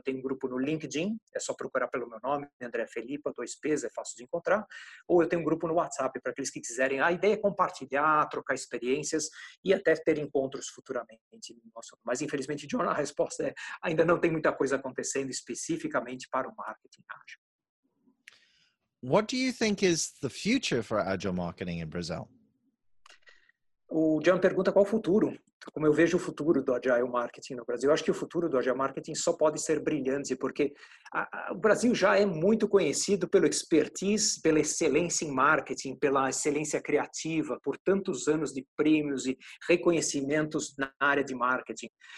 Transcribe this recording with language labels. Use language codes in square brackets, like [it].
[pt] Eu tenho um grupo no LinkedIn, é só procurar pelo meu nome, Andre Felippa, 2Ps, é fácil de encontrar, ou eu tenho um grupo no WhatsApp para aqueles que quiserem. A ideia é compartilhar, trocar experiências e até ter encontros futuramente. Mas, infelizmente, John, a resposta ainda não tem muita coisa acontecendo especificamente para o marketing ágil. [en] What do you think is the future for agile marketing in Brazil? [pt] O John pergunta qual o futuro, como eu vejo o futuro do agile marketing no Brasil. Eu acho que o futuro do agile marketing só pode ser brilhante, porque o Brasil já é muito conhecido pelo expertise, pela excelência em marketing, pela excelência criativa, por tantos anos de prêmios e reconhecimentos na área de marketing.